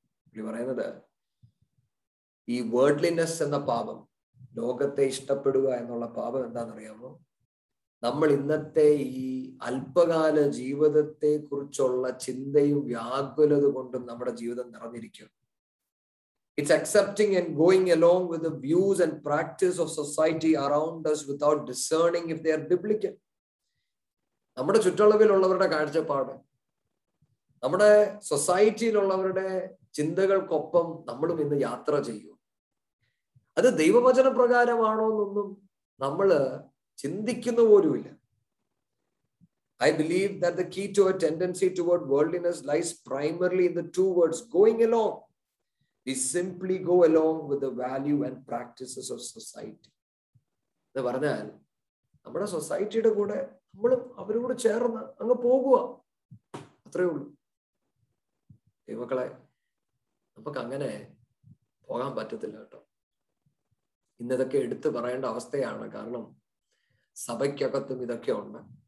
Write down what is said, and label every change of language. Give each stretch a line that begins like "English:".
Malayalam: പുള്ളി പറയുന്നത്, ഈ വേൾഡ്ലിനെസ് എന്ന പാപം, ലോകത്തെ ഇഷ്ടപ്പെടുക എന്നുള്ള പാപം എന്താണെന്നറിയാമോ? നമ്മൾ ഇന്നത്തെ ഈ അല്പകാല ജീവിതത്തെ കുറിച്ചുള്ള ചിന്തയും വ്യാകുലത കൊണ്ടും നമ്മുടെ ജീവിതം നിറഞ്ഞിരിക്കും.
English: It's accepting and going along with the views and practice of society around us without discerning if they are biblical.
Malayalam: നമ്മുടെ ചുറ്റളവിലുള്ളവരുടെ കാഴ്ചപ്പാട്, നമ്മുടെ സൊസൈറ്റിയിലുള്ളവരുടെ ചിന്തകൾക്കൊപ്പം നമ്മളും ഇന്ന് യാത്ര ചെയ്യൂ. അത് ദൈവവചന പ്രകാരമാണോ എന്നൊന്നും നമ്മൾ ചിന്തിക്കുന്ന പോലും ഇല്ല.
English: I believe that the key to a tendency toward worldliness lies primarily in the two words, going along. We simply go along with the value and practices of society.
Malayalam: ഇത് പറഞ്ഞാൽ നമ്മുടെ സൊസൈറ്റിയുടെ കൂടെ നമ്മളും അവരോട് ചേർന്ന് അങ്ങ് പോകുക, അത്രയേ ഉള്ളൂ. ദൈവമക്കളെ, നമുക്ക് അങ്ങനെ പോകാൻ പറ്റത്തില്ല കേട്ടോ. ഇന്നിതൊക്കെ എടുത്തു പറയേണ്ട അവസ്ഥയാണ്. കാരണം സഭയ്ക്കകത്തും ഇതൊക്കെ ഉണ്ട്.